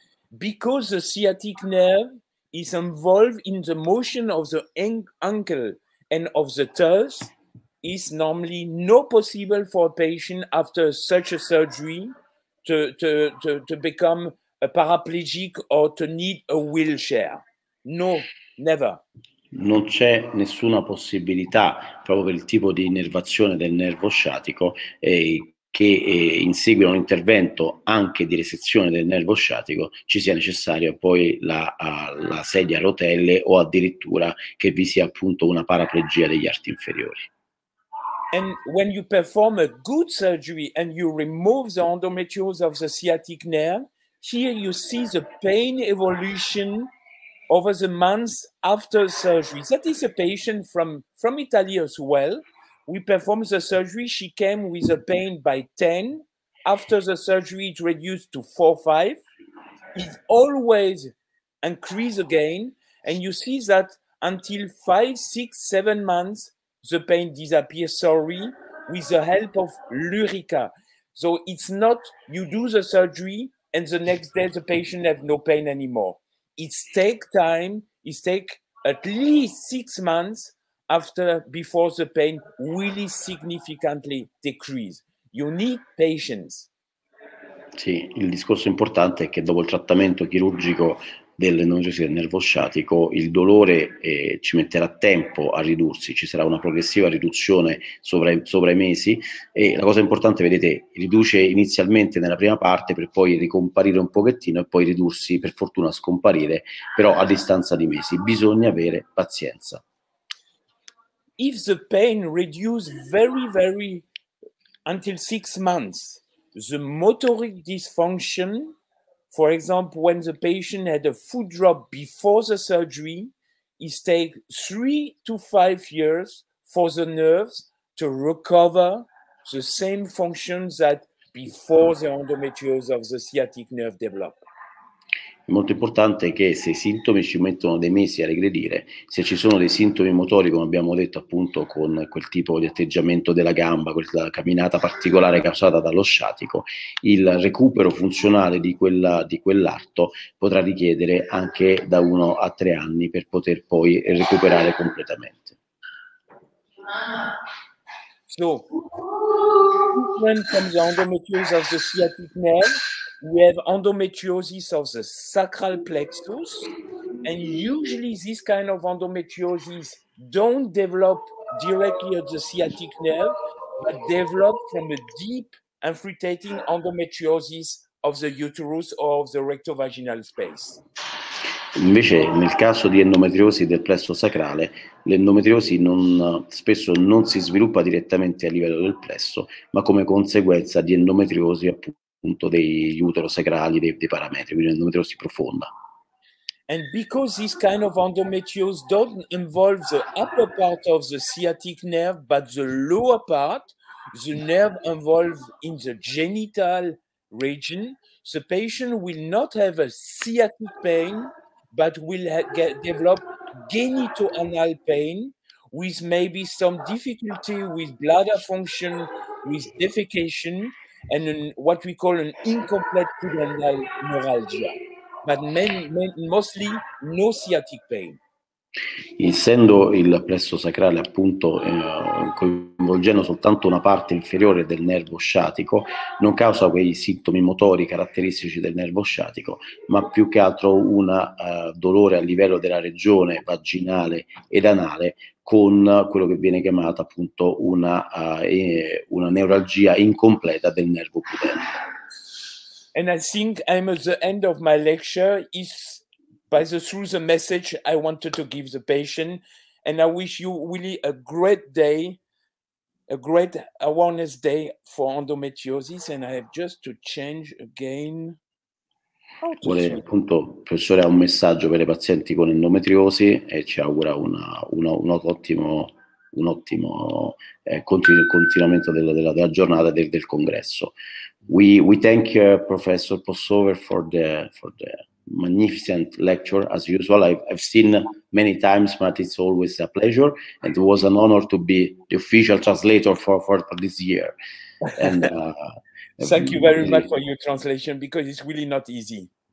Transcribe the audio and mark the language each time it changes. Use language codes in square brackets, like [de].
[en] Because the sciatic nerve is involved in the motion of the ankle and of the toes, is normally not possible for a patient after such a surgery to become a paraplegic or to need a wheelchair. No, never. [it] Non c'è nessuna possibilità, proprio per il tipo di innervazione del nervo sciatico, che in seguito a un intervento anche di resezione del nervo sciatico ci sia necessario poi la sedia a rotelle, o addirittura che vi sia appunto una paraplegia degli arti inferiori. [en] And when you perform a good surgery and you remove the endometriosis of the sciatic nerve, here you see the pain evolution over the months after surgery. That is a patient from Italy as well. We performed the surgery. She came with a pain by 10. After the surgery, it reduced to 4-5. It always increased again. And you see that until 5-7 months, the pain disappears, sorry, with the help of Lyrica. So it's not you do the surgery and the next day the patient has no pain anymore. It takes time. It takes at least 6 months before the pain really significantly decreases. You need patience. [it] Sì, il discorso importante è che dopo il trattamento chirurgico dell'endometriosi del nervo sciatico, il dolore ci metterà tempo a ridursi, ci sarà una progressiva riduzione sopra i mesi e la cosa importante, vedete, riduce inizialmente nella prima parte per poi ricomparire un pochettino e poi ridursi, per fortuna scomparire, però a distanza di mesi. Bisogna avere pazienza. [en] If the pain reduces very, very until 6 months, the motoric dysfunction, for example, when the patient had a foot drop before the surgery, it takes 3 to 5 years for the nerves to recover the same functions that before the endometriosis of the sciatic nerve developed. [it] È molto importante che se i sintomi ci mettono dei mesi a regredire, se ci sono dei sintomi motori, come abbiamo detto appunto con quel tipo di atteggiamento della gamba, quella camminata particolare causata dallo sciatico, il recupero funzionale di quell'arto potrà richiedere anche da 1 a 3 anni per poter poi recuperare completamente. [en] So, when comes the endometriosis of the sciatic nerve, we have endometriosis of the sacral plexus, and usually this kind of endometriosis don't develop directly at the sciatic nerve, but develop from a deep infiltrating endometriosis of the uterus or of the rectovaginal space. [it] Invece nel caso di endometriosi del plesso sacrale, l'endometriosi spesso non si sviluppa direttamente a livello del plesso, ma come conseguenza di endometriosi appunto degli utero sacrali, dei parametri, quindi endometriosi profonda. [en] And because this kind of endometriosis don't involve the upper part of the sciatic nerve, but the lower part, the nerve involved in the genital region, the patient will not have a sciatic pain, but will develop genitoanal pain with maybe some difficulty with bladder function, with defecation, and what we call an incomplete pudendal neuralgia. But mostly no sciatic pain. [it] Essendo il plesso sacrale appunto coinvolgendo soltanto una parte inferiore del nervo sciatico, non causa quei sintomi motori caratteristici del nervo sciatico, ma più che altro un dolore a livello della regione vaginale ed anale con quello che viene chiamata appunto una neuralgia incompleta del nervo pudendo. [en] And I think I'm at the end of my lecture. Through the message I wanted to give the patient, and I wish you really a great day, a great awareness day for endometriosis, and I have just to change again. [it] Vuole appunto, professore, ha un messaggio per i pazienti con endometriosi e ci augura un ottimo continuamento della giornata del congresso. [en] We thank you, Professor Possover, for the magnificent lecture as usual. I've seen many times, but it's always a pleasure, and it was an honor to be the official translator for this year. And thank you very much for your translation, because it's really not easy.